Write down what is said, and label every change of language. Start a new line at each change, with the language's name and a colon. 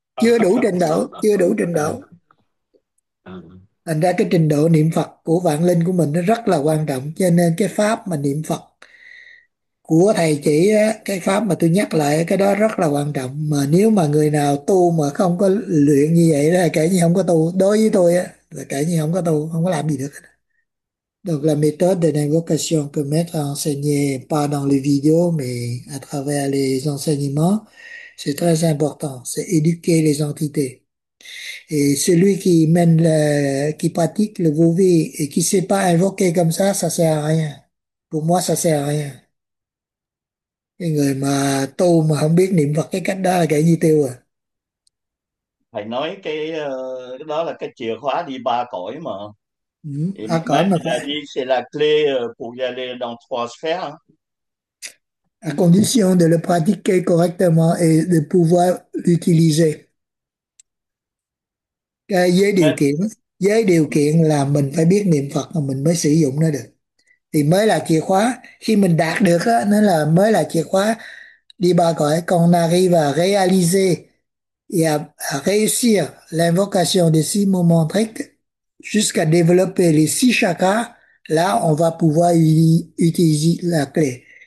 Vietnamese: chưa đủ trình độ, chưa đủ trình độ. Thành ra cái trình độ niệm Phật của vạn linh của mình nó rất là quan trọng, cho nên cái pháp mà niệm Phật của thầy chỉ á, cái pháp mà tôi nhắc lại cái đó rất là quan trọng. Mà nếu mà người nào tu mà không có luyện như vậy là kể như không có tu, đối với tôi á là kể như không có tu, không có làm gì được.
French: Donc la méthode de l'invocation que maître a enseigné pas dans les vidéos mais à travers les enseignements, c'est très important, c'est éduquer les entités. Et celui qui mène le, qui pratique le Vouvi et qui sait pas invoquer comme ça sert à rien. Pour moi, ça sert à rien.
Vietnamese: Cái người mà tu mà không biết niệm Phật cái cách đó là kẻ di tiêu à. Thầy nói cái đó là cái chìa khóa đi ba cõi mà. Ừ,
French: Et à maintenant
Vietnamese: cõi mà
French: il a dit c'est la clé pour y aller dans trois sphères. à condition de le pratiquer correctement et de pouvoir l'utiliser.
Vietnamese: Cái với điều kiện là mình phải biết niệm Phật mà mình mới sử dụng nó được, thì mới là chìa khóa. Khi mình đạt được á, nó là mới là chìa khóa đi ba cõi.
French: Còn n'arrive à réaliser et à réussir l'invocation des six moments très jusqu'à développer les six chakras, là on va pouvoir utiliser la clé.